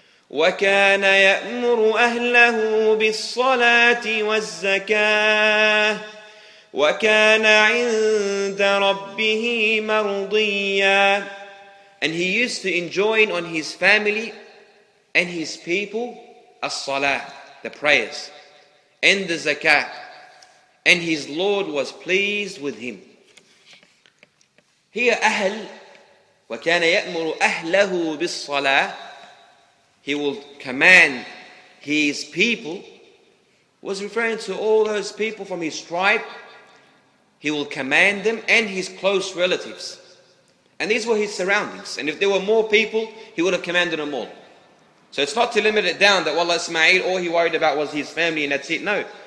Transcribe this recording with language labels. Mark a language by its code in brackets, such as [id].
[ar] وَكَانَ يَأْمُرُ أَهْلَهُ بِالصَّلَاةِ وَالزَّكَاةِ وَكَانَ عِنْدَ رَبِّهِ مَرْضِيًّا. [en] And he used to enjoin on his family and his people as-salah, the prayers, and the zakah. And his Lord was pleased with him. Here, [ar] أهل وكان يأمر أهله بالصلاة. [en] He will command his people. Was referring to all those people from his tribe. He will command them and his close relatives. And these were his surroundings. And if there were more people, he would have commanded them all. So it's not to limit it down that Wallah Ismail, all he worried about was his family and that's it. No.